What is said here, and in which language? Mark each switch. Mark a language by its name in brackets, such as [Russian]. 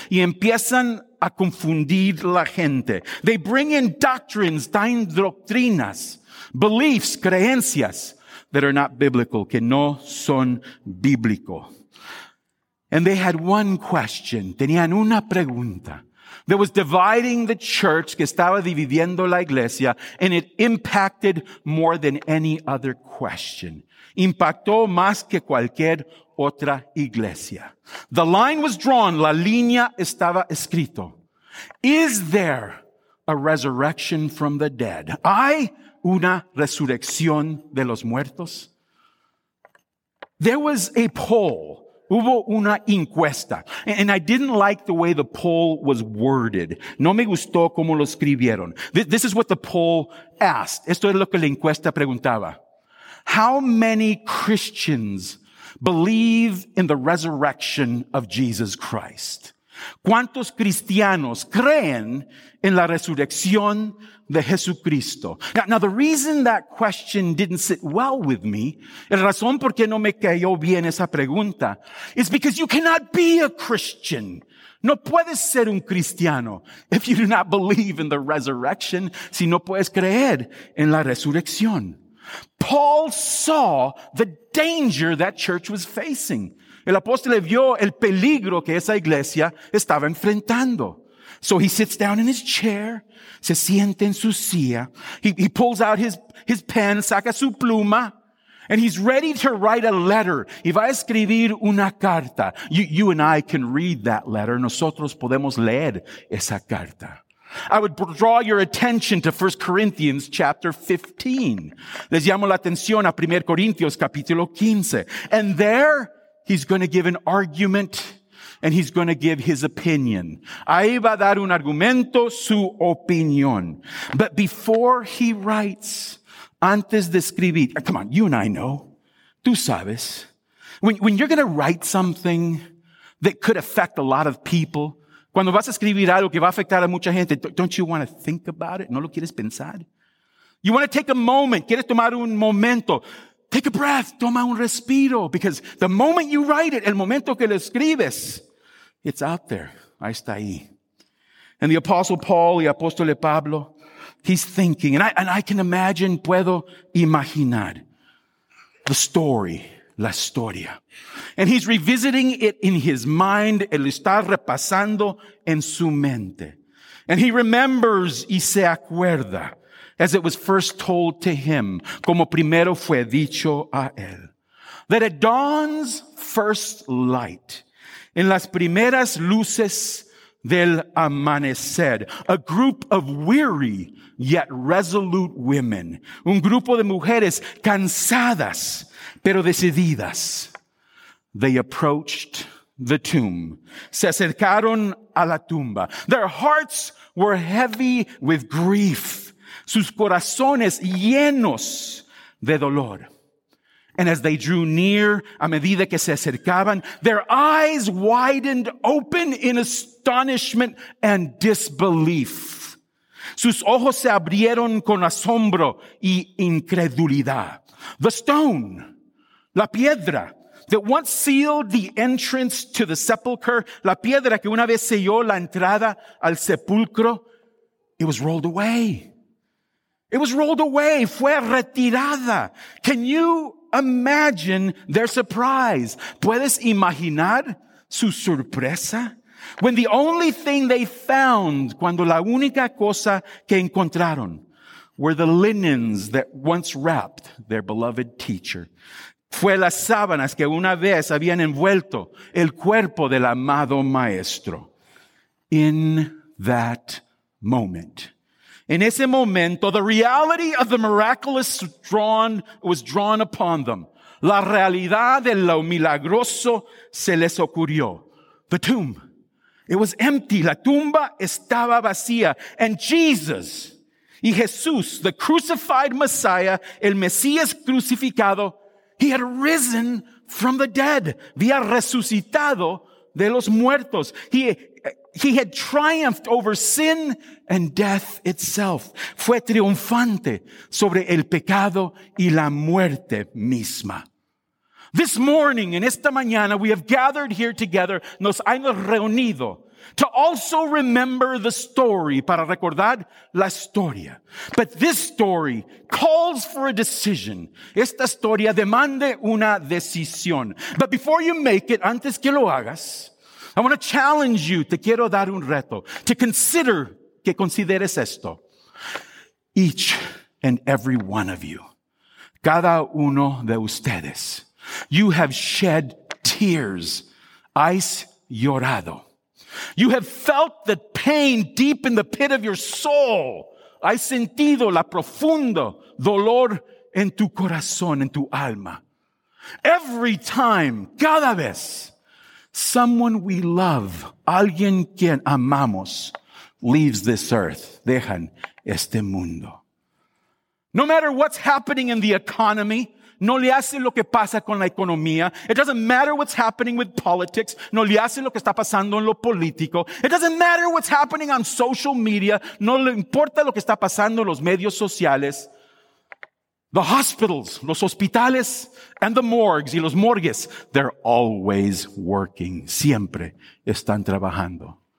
[Spanish] Y empiezan a confundir la gente. [English] They bring in doctrines, [Spanish] traen doctrinas, [English] beliefs, [Spanish] creencias, [English] that are not biblical, [Spanish] que no son bíblico. [English] And they had one question. [Spanish] Tenían una pregunta. [English] That was dividing the church, [Spanish] que estaba dividiendo la iglesia, [English] and it impacted more than any other question. [Spanish] Impactó más que cualquier otra iglesia. [English] The line was drawn. [Spanish] La línea estaba escrito. [English] Is there a resurrection from the dead? [Spanish] ¿Hay una resurrección de los muertos? [English] There was a poll. [Spanish] Hubo una encuesta. [English] And I didn't like the way the poll was worded. [Spanish] No me gustó cómo lo escribieron. [English] This is what the poll asked. [Spanish] Esto es lo que la encuesta preguntaba. [English] How many Christians believe in the resurrection of Jesus Christ? [Spanish] ¿Cuántos cristianos creen en la resurrección de Jesucristo? [English] Now, the reason that question didn't sit well with me, [Spanish] la razón por qué no me cayó bien esa pregunta, [English] is because you cannot be a Christian. [Spanish] No puedes ser un cristiano [English] if you do not believe in the resurrection, [Spanish] si no puedes creer en la resurrección. [English] Paul saw the danger that church was facing. [Spanish] El apóstol vio el peligro que esa iglesia estaba enfrentando. [English] So he sits down in his chair, [Spanish] se siente en su silla. [English] He pulls out his pen, [Spanish] saca su pluma, [English] and he's ready to write a letter. [Spanish] Y va a escribir una carta. [English] You and I can read that letter. [Spanish] Nosotros podemos leer esa carta. [English] I would draw your attention to 1 Corinthians chapter 15. [Spanish] Les llamo la atención a 1 Corintios capítulo 15. [English] And there, he's going to give an argument and he's going to give his opinion. [Spanish] Ahí va a dar un argumento, su opinión. [English] But before he writes, [Spanish] antes de escribir, [English] come on, you and I know, [Spanish] tú sabes, [English] when you're going to write something that could affect a lot of people, [Spanish] cuando vas a escribir algo que va a afectar a mucha gente, [English] don't you want to think about it? [Spanish] ¿No lo quieres pensar? [English] You want to take a moment. [Spanish] ¿Quieres tomar un momento? [English] Take a breath. [Spanish] Toma un respiro. [English] Because the moment you write it, [Spanish] el momento que lo escribes, [English] it's out there. [Spanish] Ahí está ahí. [English] And the Apostle Paul [Spanish] y Apóstole Pablo, [English] he's thinking. And I can imagine, [Spanish] puedo imaginar [English] the story. [Spanish] La historia. [English] And he's revisiting it in his mind. [Spanish] Él está repasando en su mente. [English] And he remembers [Spanish] y se acuerda [English] as it was first told to him, [Spanish] como primero fue dicho a él. [English] That at dawn's first light, [Spanish] en las primeras luces del amanecer, [English] a group of weary yet resolute women, [Spanish] un grupo de mujeres cansadas, pero decididas, [English] they approached the tomb. [Spanish] Se acercaron a la tumba. [English] Their hearts were heavy with grief. [Spanish] Sus corazones llenos de dolor. [English] And as they drew near, [Spanish] a medida que se acercaban, [English] their eyes widened open in astonishment and disbelief. [Spanish] Sus ojos se abrieron con asombro y incredulidad. [English] The stone, [Spanish] la piedra [English] that once sealed the entrance to the sepulcher, [Spanish] la piedra que una vez selló la entrada al sepulcro, [English] it was rolled away. It was rolled away. [Spanish] Fue retirada. [English] Can you imagine their surprise? [Spanish] ¿Puedes imaginar su sorpresa? [English] When the only thing they found, [Spanish] cuando la única cosa que encontraron, [English] were the linens that once wrapped their beloved teacher. [Spanish] Fue las sábanas que una vez habían envuelto el cuerpo del amado maestro. [English] In that moment. [Spanish] En ese momento, [English] the reality of the miraculous was drawn upon them. [Spanish] La realidad de lo milagroso se les ocurrió. [English] The tomb. It was empty. [Spanish] La tumba estaba vacía. [English] And Jesus, [Spanish] y Jesús, [English] the crucified Messiah, [Spanish] el Mesías crucificado, [English] he had risen from the dead. [Spanish] Había resucitado de los muertos. [English] He had triumphed over sin and death itself. [Spanish] Fue triunfante sobre el pecado y la muerte misma. [English] This morning, [Spanish] en esta mañana, [English] we have gathered here together. [Spanish] Nos hemos reunido [English] to also remember the story, [Spanish] para recordar la historia. [English] But this story calls for a decision. [Spanish] Esta historia demanda una decisión. [English] But before you make it, [Spanish] antes que lo hagas, [English] I want to challenge you, [Spanish] te quiero dar un reto, [English] to consider, [Spanish] que consideres esto. [English] Each and every one of you, [Spanish] cada uno de ustedes, [English] you have shed tears, [Spanish] has llorado. [English] You have felt the pain deep in the pit of your soul. [Spanish] Has sentido la profundo dolor en tu corazón, en tu alma. [English] Every time, [Spanish] cada vez, [English] someone we love, [Spanish] alguien quien amamos, [English] leaves this earth, [Spanish] dejan este mundo. [English] No matter what's happening in the economy, [Spanish] no le hace lo que pasa con la economía. [English] It doesn't matter what's happening with politics. [Spanish] No le hace lo que está pasando en lo político. [English] It doesn't matter what's happening on social media. [Spanish] No le importa lo que está pasando en los medios sociales. [English] The hospitals, [Spanish] los hospitales, [English] and the morgues, [Spanish] y los morgues, [English] they're always working. [Spanish] Siempre están trabajando.